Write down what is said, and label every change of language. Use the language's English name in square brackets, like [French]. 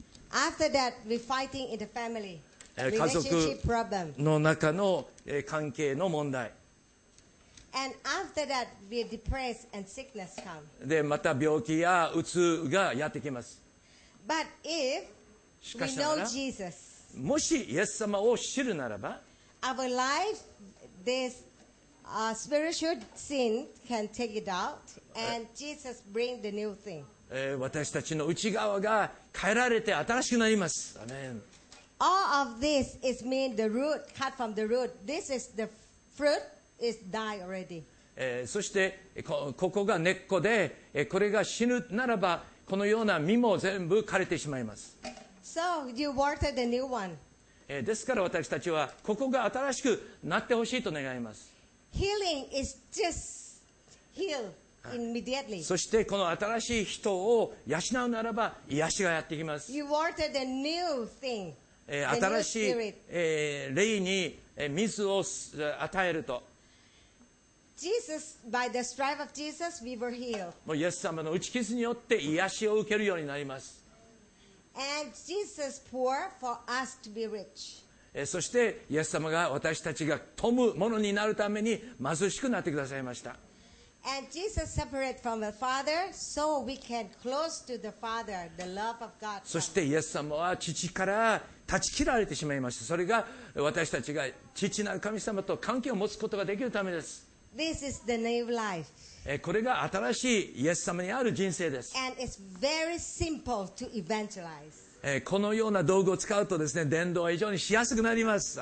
[English] After that, we fighting in the family. [Japanese] 家族の中の関係の問題。 [English] And after that, we're depressed and sickness come. [Japanese] で、また病気やうつがやってきます。 [English] But if [Japanese] しかしながら、 [English] we know Jesus, [Japanese] もしイエス様を知るならば、 [English] our life, this, spiritual sin can take it out, and Jesus bring the new thing. [Japanese] 私たちの内側が変えられて新しくなります。アメン。 [English] All of this is mean the root, cut from the root. This is the fruit. Is die already. [Japanese] そして ここが根っこで、これが死ぬならばこのような実も全部枯れてしまいます。 [English] So you water the new one. [Japanese] ですから私たちはここが新しくなってほしいと願います。 [English] Healing is just heal immediately. [Japanese] そしてこの新しい人を養うならば癒しがやってきます。 [English] You water the new thing. The new spirit. [Japanese] 新しい、霊に水を与えると。 [English] Jesus, by the stripe of Jesus, we were healed. [Japanese] もうイエス様の打ち傷によって癒しを受けるようになります。 [English] And Jesus poured for us to be rich. [Japanese] そしてイエス様が私たちが富むものになるために貧しくなってくださいました。 [English] And Jesus separated from the Father, so we can close to the Father, the love of God. [Japanese] そしてイエス様は父から断ち切られてしまいました。それが私たちが父なる神様と関係を持つことができるためです。 [English] This is the new life. [Japanese] これが新しいイエス様にある人生です。 [English] And it's very simple to evangelize. [Japanese] このような道具を使うとですね、伝道は非常にしやすくなります。